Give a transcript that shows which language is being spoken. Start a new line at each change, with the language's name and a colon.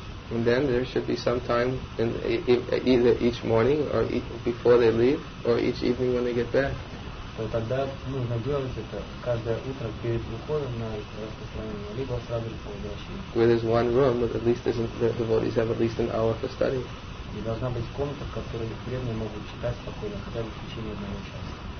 English: And then there should be some time in either each morning or before they leave or each evening when they get back.
Russian: То тогда нужно делать это каждое утро перед уходом на распространение, либо сразу по возвращении.
English: Where there's one room, but at least the devotees have at least an hour for study.
Russian: И должна быть комната, в которой преданные могут читать спокойно, хотя бы в течение одного часа.